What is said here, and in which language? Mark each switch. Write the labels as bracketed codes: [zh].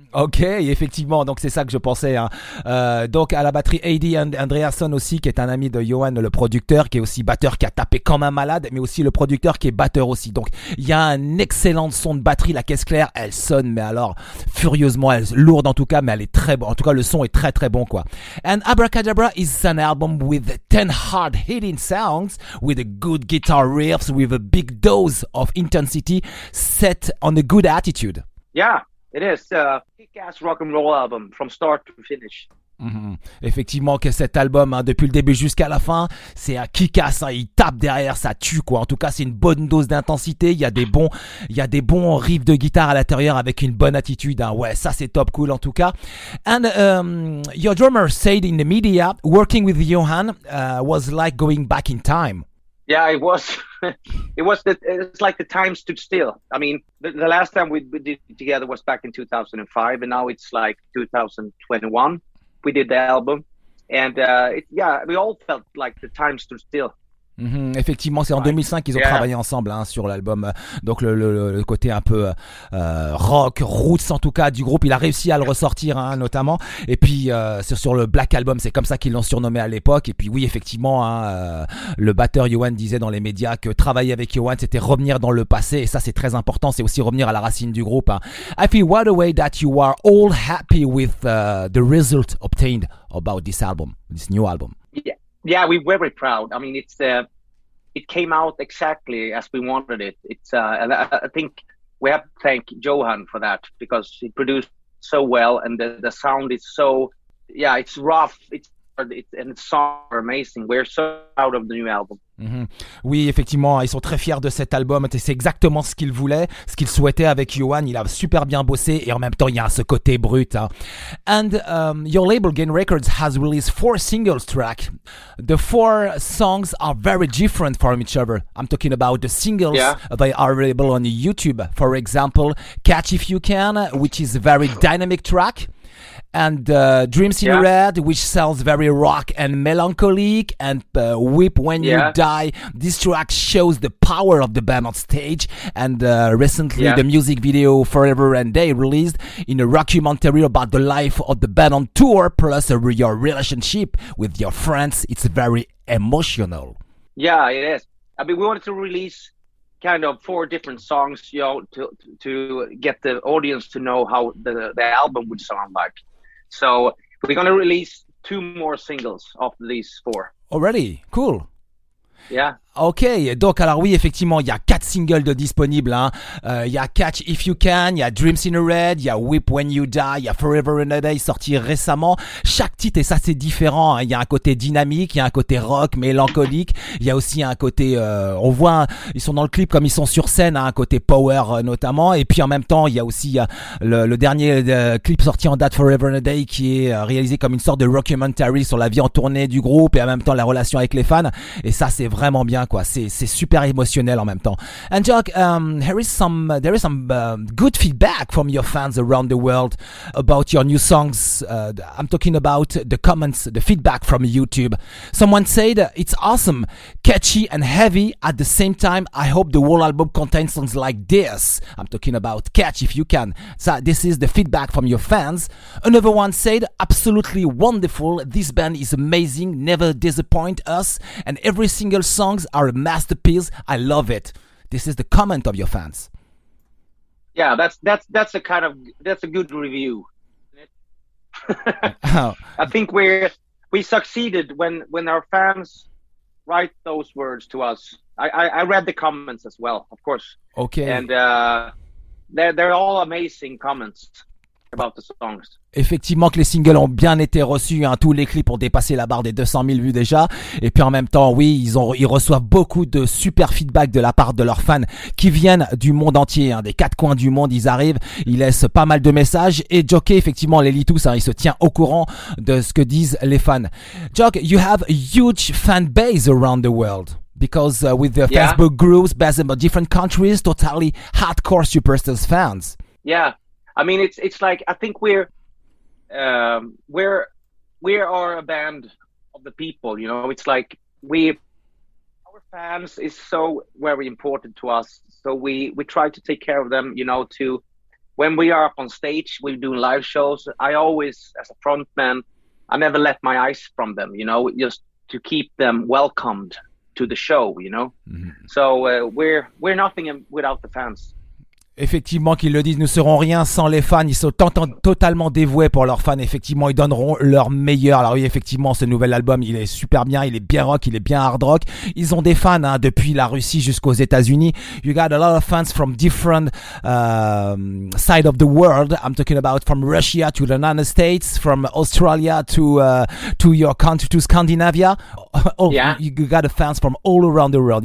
[fr] Ok, effectivement, donc c'est ça que je pensais hein. Donc à la batterie Heidi Andreasson aussi, qui est un ami de Johan le producteur, qui est aussi batteur, qui a tapé comme un malade, mais aussi le producteur qui est batteur aussi. Donc il y a un excellent son de batterie. La caisse claire, elle sonne mais alors furieusement, elle est lourde en tout cas, mais elle est très bon. En tout cas le son est très très bon quoi. [en] And Abracadabra is an album with 10 hard hitting sounds, with a good guitar riffs, with a big dose of intensity set on a good attitude. Yeah, it is a kick-ass rock and roll album from start to finish. Mm-hmm. [fr] Effectivement que cet album hein, depuis le début jusqu'à la fin, c'est un kick-ass hein, il tape derrière, ça tue quoi. En tout cas, c'est une bonne dose d'intensité, il y a des bons riffs de guitare à l'intérieur avec une bonne attitude hein. Ouais, ça c'est top cool en tout cas. [en] And your drummer said in the media, working with Johan was like going back in time. Yeah, it was. It's like the time stood still. I mean, the last time we did it together was back in 2005, and now it's like 2021. We did the album, and we all felt like the time stood still. Mm-hmm. [fr] Effectivement, c'est en 2005 qu'ils ont travaillé ensemble hein, sur l'album. Donc le côté un peu rock, roots en tout cas du groupe. Il a réussi à le ressortir hein, notamment. Et puis sur le Black Album, c'est comme ça qu'ils l'ont surnommé à l'époque. Et puis oui, effectivement, hein, le batteur Johan disait dans les médias que travailler avec Johan, c'était revenir dans le passé. Et ça, c'est très important. C'est aussi revenir à la racine du groupe hein. [en] I feel right away that you are all happy with the result obtained about this album, this new album. Yeah, we were very proud. I mean, it came out exactly as we wanted it. It's I think we have to thank Johan for that, because he produced so well, and the sound is so, yeah, it's rough. And the songs are amazing. We're so proud of the new album. Mm-hmm. [fr] Oui, effectivement, ils sont très fiers de cet album. C'est exactement ce qu'ils voulaient, ce qu'ils souhaitaient avec Johan. Il a super bien bossé et en même temps, il y a ce côté brut. Hein. [en] And your label, Gain Records, has released 4 singles track. The 4 songs are very different from each other. I'm talking about the singles that are available on YouTube. For example, Catch If You Can, which is a very dynamic track. And Dreams in Red, which sounds very rock and melancholic, and Weep When You Die. This track shows the power of the band on stage. And recently, the music video Forever and Day released in a rockumentary about the life of the band on tour, plus your relationship with your friends. It's very emotional. Yeah, it is. I mean, we wanted to release kind of 4 different songs, you know, to get the audience to know how the album would sound like. So we're going to release 2 more singles of these 4. Already? Cool. Yeah. [fr] Ok, donc alors oui, effectivement, il y a 4 singles de disponibles. Hein. Il y a Catch If You Can, il y a Dreams in Red, il y a Weep When You Die, il y a Forever and a Day sorti récemment. Chaque titre, et ça c'est différent, hein. Il y a un côté dynamique, il y a un côté rock, mélancolique. Il y a aussi un côté, on voit, ils sont dans le clip comme ils sont sur scène, hein, un côté power notamment. Et puis en même temps, il y a aussi le dernier clip sorti en date, Forever and a Day, qui est réalisé comme une sorte de rockumentary sur la vie en tournée du groupe et en même temps la relation avec les fans. Et ça, c'est vraiment bien quoi, c'est super émotionnel en même temps. [en] And Jock, there is some good feedback from your fans around the world about your new songs. I'm talking about the comments, the feedback from YouTube. Someone said it's awesome, catchy and heavy at the same time. I hope the whole album contains songs like this. I'm talking about Catch If You Can. So this is the feedback from your fans. Another one said absolutely wonderful, this band is amazing, never disappoint us, and every single song are a masterpiece. I love it. This is the comment of your fans. Yeah, that's a good review. I think we succeeded when our fans write those words to us. I read the comments as well, of course. Okay. And they're all amazing comments about the songs. [fr] Effectivement que les singles ont bien été reçus hein, tous les clips ont dépassé la barre des 200 000 vues déjà. Et puis en même temps oui, ils reçoivent beaucoup de super feedback de la part de leurs fans qui viennent du monde entier hein, des quatre coins du monde. Ils arrivent, ils laissent pas mal de messages. Et Jock effectivement les lit tous hein, il se tient au courant de ce que disent les fans. [en] Jock, you have a huge fan base around the world, because with the Facebook groups based in different countries, totally hardcore Superstars fans. Yeah, I mean, it's like, I think we are a band of the people, you know. It's like our fans is so very important to us. So we try to take care of them, you know, to when we are up on stage, we do live shows. I always, as a frontman, I never let my eyes from them, you know, just to keep them welcomed to the show, you know. Mm-hmm. So we're nothing without the fans. [fr] Effectivement, qu'ils le disent, nous serons rien sans les fans. Ils sont totalement dévoués pour leurs fans. Effectivement, ils donneront leur meilleur. Alors oui, effectivement, ce nouvel album, il est super bien. Il est bien rock, il est bien hard rock. Ils ont des fans, hein, depuis la Russie jusqu'aux États-Unis. [en] You got a lot of fans from different side of the world. I'm talking about from Russia to the United States, from Australia to your country, to Scandinavia. Oh, yeah. You got a fans from all around the world.